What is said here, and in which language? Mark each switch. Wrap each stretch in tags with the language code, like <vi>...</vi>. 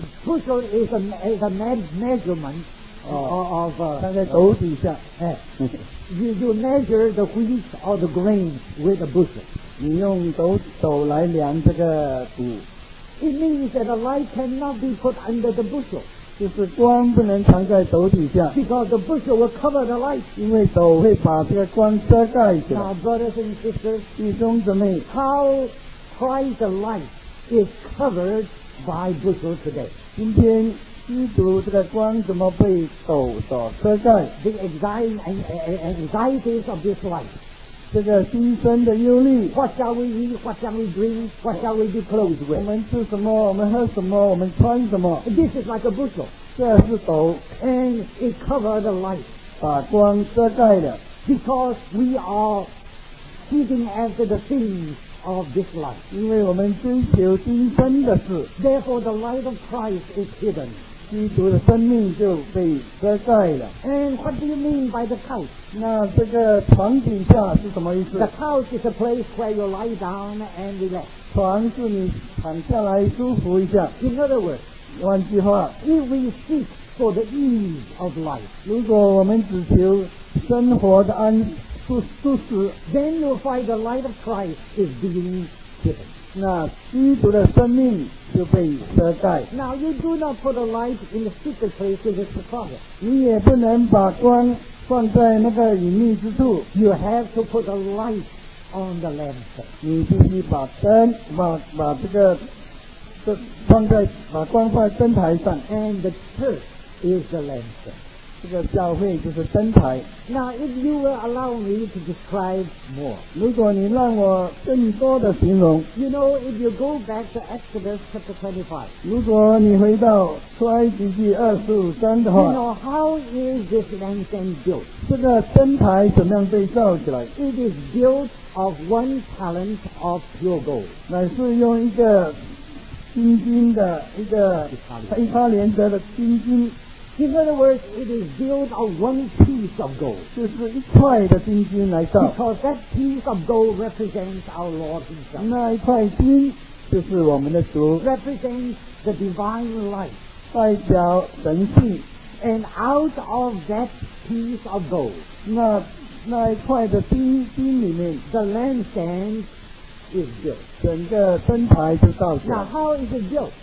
<en>Bushel is a measurement. Of</en> <zh>放在斗底下。</zh> <en>you measure the wheat or the grain with a bushel.</en> <zh>你用斗来量这个谷。</zh> <en>It means that the light cannot be put under the bushel.</en> <zh>就是光不能藏在斗底下。</zh> <en>Because the bushel will cover the light.</en> <zh>因为斗会把这个光遮盖起来。</zh> <en>Now, brothers and sisters,</en> <zh>弟兄姊妹，</zh> <en>how Christ's light is covered by bushel today.</en> <zh>今天基督这个光怎么被斗所遮盖？</zh> <en>The anxieties of this life.</en> <zh>这个心生的忧虑。</zh> <en>What shall we eat? What shall we drink? What shall we be clothed with?</en> <zh>我们吃什么？我们喝什么？我们穿什么？</zh> <en>This is like a bushel.</en> <zh>这是斗。</zh> <en>And it covers the light.</en> <zh>把光遮盖了。</zh> <en>Because we are seeking after the things of this life.</en> <zh>因为我们追求今生的事。</zh> <en>Therefore, the light of Christ is hidden.</en> <zh>基督的生命就被遮盖了。</zh> <en>And what do you mean by the couch?</en> <zh>那这个床底下是什么意思？</zh> <en>The couch is a place where you lie down and relax.</en> <zh>床是你躺下来舒服一下。</zh> <en>In other words,</en> <zh>换句话，</zh> <en>if we seek for the ease of life,</en> <zh>如果我们只求生活的安舒适</zh> <en>then you'll find the light of Christ is being given.</en> <zh>那基督的生命就被遮盖。</zh> <en>Now you do not put a light in the secret place in the closet.</en> <zh>你也不能把光放在那个隐秘之处。</zh> <en>You have to put a light on the lamp.</en> <zh>你必须把灯把这个这放在把光放在灯台上。</zh> <en>And the church is the lamp.</en> <zh>这个教会就是灯台。</zh> <en>Now, if you will allow me to describe more,</en> <zh>如果你让我更多的形容，</zh> <en>you know, if you go back to Exodus chapter 25,</en> <zh>如果你回到出埃及记二十五章的话，</zh> <en>you know, how is this lampstand built?</en> <zh>这个灯台怎么样被造起来？</zh> <en>It is built of 1 talent of pure gold.</en> <zh>乃是用一个金金的一个一他连得的金金。</zh> <en>In other words, it is built of 1 piece of gold.</en> <zh>就是一块的金金来造。</zh> <en>Because that piece of gold represents our Lord Himself.</en> <zh>那一块金就是我们的主。</zh> <en>Represents the divine light.</en> <zh>代表神性。</zh> <en>And out of that piece of gold,</en> <zh>那一块的金里面，</zh> <en>the lampstand is built.</en> <zh>整个灯台就造起来。</zh> <en>Now how is it built?</en>